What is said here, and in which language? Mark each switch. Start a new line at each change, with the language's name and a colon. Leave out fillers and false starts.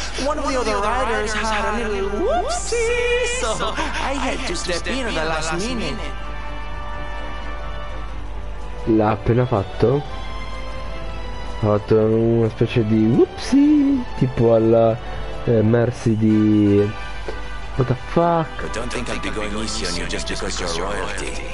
English: One of the other riders had a little whoopsie, so I had to step in at the last minute.
Italian: L'ha appena fatto? Ha fatto una specie di whoopsie, tipo alla Mercy di...
English: What the fuck? But don't think I'd be going easy on you just because you're royalty.